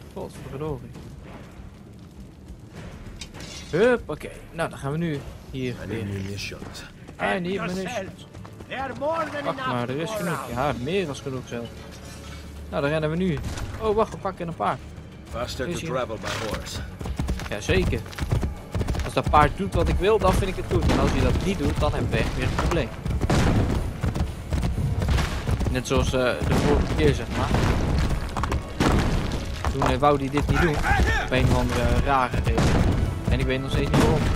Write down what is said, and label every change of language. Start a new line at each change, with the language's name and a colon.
Dutch: Godverdorie. Hup, oké. Okay. Nou, dan gaan we nu hier.
English: I need munitions. I need munitions.
Dutch: Wacht maar, er is genoeg. Ja, meer dan genoeg zelf. Nou, dan rennen we nu. Oh, wacht, we pakken een paard.
English: Faster to travel by horse.
Dutch: Jazeker. Als dat paard doet wat ik wil, dan vind ik het goed. En als hij dat niet doet, dan hebben we echt weer een probleem. Net zoals de vorige keer, zeg maar. Toen wou hij dit niet doen. Op een of andere rare reden. En ik weet nog steeds niet waarom.